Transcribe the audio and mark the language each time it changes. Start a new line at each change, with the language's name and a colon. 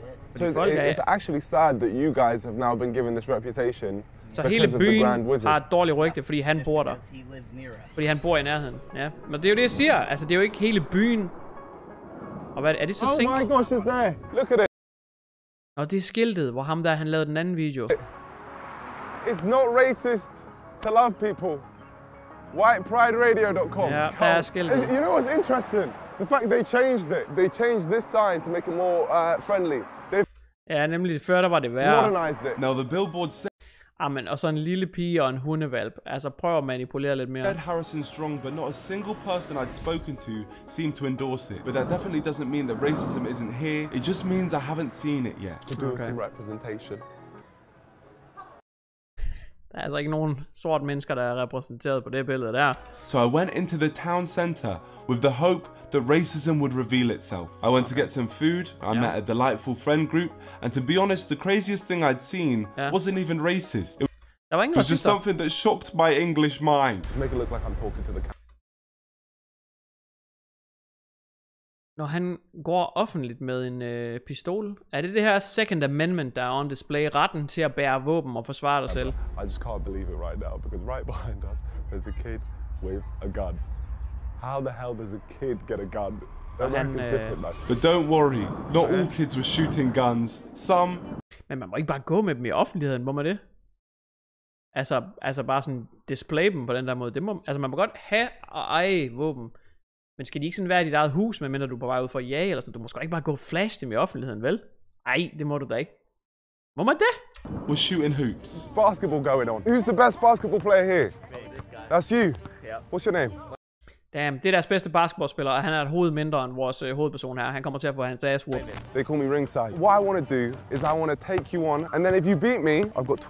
English: So it's actually sad that you guys have now been given this reputation.
Danish: Så hele byen har et dårligt rygte, fordi han bor der. Fordi han bor i nærheden, ja. Men det er jo det, jeg siger. Altså, det er jo ikke hele byen. Og hvad er det så sinket?
English: Oh my gosh, it's there. Look at it.
Danish: Og det er skiltet, hvor ham der, han lavede den anden video.
English: It's not racist to love people. Whiteprideradio.com.
Danish: Ja, der er skiltet.
English: You know what's interesting? The fact they changed it. They changed this sign to make it more friendly.
Danish: Ja, nemlig før, der var det værre.
English: Modernized it. Now the billboard said...
Danish: Amen, og så en lille pige og en hundevalp. Altså prøv at manipulere lidt mere.
English: Dad Harrison strong, but not a single person I'd spoken to seemed to endorse it. But that definitely doesn't mean that racism isn't here. It just means I haven't seen it yet. Okay. Representation.
Danish: Der er altså ikke nogen sort mennesker, der er repræsenteret på det billede der.
English: So I went into the town center with the hope that racism would reveal itself. I went to get some food, I met a delightful friend group, and to be honest, the craziest thing I'd seen wasn't even racist.
Danish: Der var ingen racister.
English: It was just something that shocked my English mind. To make it look like I'm talking to the camera.
Danish: Når han går offentligt med en pistol, er det det her Second Amendment, der er
English: on display,
Danish: retten til at bære våben og forsvare dig selv?
English: I just can't believe it right now, because right behind us, there's a kid with a gun. How the hell does a kid get a gun? But don't worry, not all kids were shooting guns. Some...
Danish: Men man må ikke bare gå med dem i offentligheden, må man det? Altså bare sådan display dem på den der måde. Det må, altså man må godt have og eje våben. Men skal de ikke sådan være i dit eget hus, medmindre du er på vej ud for at jage eller sådan? Du må sgu da ikke bare gå og flash dem i offentligheden, vel? Ej, det må du da ikke. Må man det?
English: We're shooting hoops. Basketball going on. Who's the best basketball player here? Me, this guy. That's you? Yeah. What's your name?
Danish: Damn, det er deres bedste basketballspiller, og han er et hoved mindre end vores hovedperson her. Han kommer til at få hans
English: ass whooped. They call me ringside. What I want to do is I want to take you on, and then if you beat me, I've got $20.